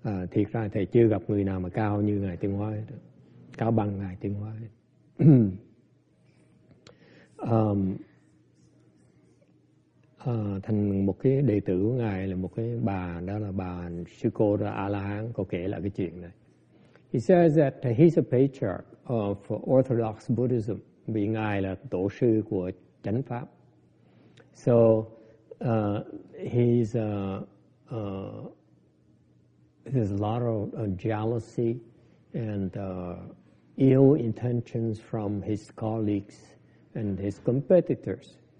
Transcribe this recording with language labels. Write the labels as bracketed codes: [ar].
[vi] Thiệt ra thầy chưa gặp người nào mà cao như ngài Tiên Hóa, cao bằng ngài Tiên Hóa. thành một cái đệ tử của ngài là một cái bà, đó là bà sư cô là A La Hán, có kể lại cái chuyện này. [en] He says that he's a patriarch of Orthodox Buddhism. [vi] Vì ngài là tổ sư của chánh pháp. [en] So he's there's a lot of jealousy and ill intentions from his colleagues and his competitors.